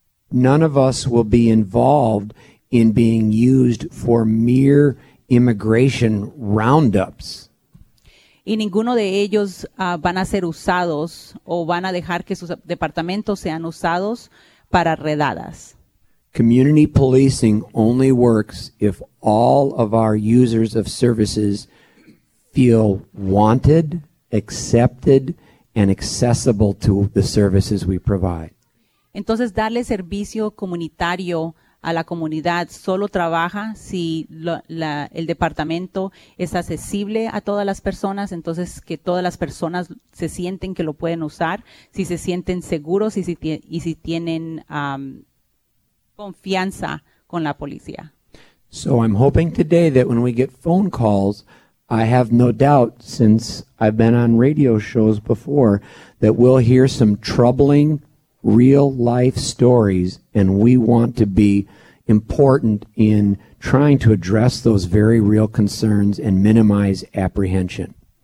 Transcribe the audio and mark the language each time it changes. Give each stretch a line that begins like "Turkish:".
English: None of us will be involved in being used for mere immigration roundups.
Spanish: Y ninguno de ellos van a ser usados o van a dejar que sus departamentos sean usados para redadas.
English: Community policing only works if all of our users of services feel wanted, accepted, and accessible to the services we provide.
Spanish: Entonces, darle servicio comunitario a la comunidad solo trabaja si el departamento es accesible a todas las personas, entonces que todas las personas se sienten que lo pueden usar, si se sienten seguros y si tienen confianza con la policía.
English: So I'm hoping today that when we get phone calls, I have no doubt, since I've been on radio shows before, that we'll hear some troubling real life stories, and we want to be important in trying to address those very real concerns and minimize apprehension.